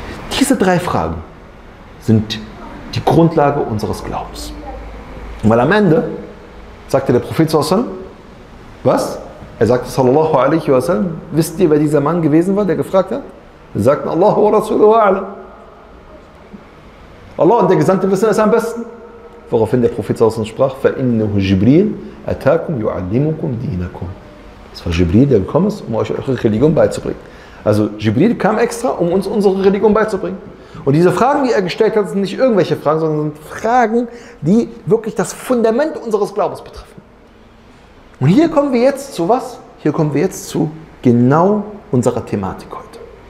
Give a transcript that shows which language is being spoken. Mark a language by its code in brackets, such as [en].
[de] Diese 3 Fragen sind die Grundlage unseres Glaubens. Weil am Ende sagte der Prophet sallallahu alaihi wasallam, was? Er sagte sallallahu alaihi wasallam, wisst ihr, wer dieser Mann gewesen war, der gefragt hat? Wir sagten [ar] Allah wa Rasuluhu a'lam. [de] Allah und der Gesandte wissen es am besten. Woraufhin der Prophet sprach, [ar] فَإِنَّهُ جِبْرِيلٌ أَتَاكُمْ يُعَلِّمُكُمْ دِينَكُمْ. [de] Es war Jibril, der gekommen ist, um euch eure Religion beizubringen. Also Jibril kam extra, um uns unsere Religion beizubringen. Und diese Fragen, die er gestellt hat, sind nicht irgendwelche Fragen, sondern sind Fragen, die wirklich das Fundament unseres Glaubens betreffen. Und hier kommen wir jetzt zu was? Hier kommen wir jetzt zu genau unserer Thematik heute.